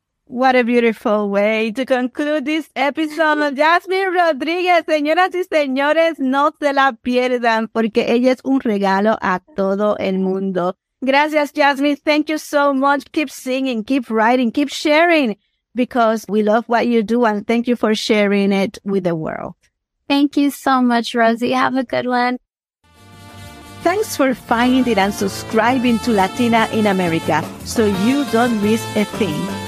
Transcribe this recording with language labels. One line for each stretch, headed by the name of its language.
English: What a beautiful way to conclude this episode.
Spanish: Jasmine Rodriguez, señoras y señores, no se la pierdan porque ella es un regalo a todo el mundo. Gracias,
English: Jasmine. Thank you so much. Keep singing, keep writing, keep sharing, because we love what you do. And thank you for sharing it with the world. Thank you so much, Rosie. Have a good one. Thanks for finding it and subscribing to Latina in America so you don't miss a thing.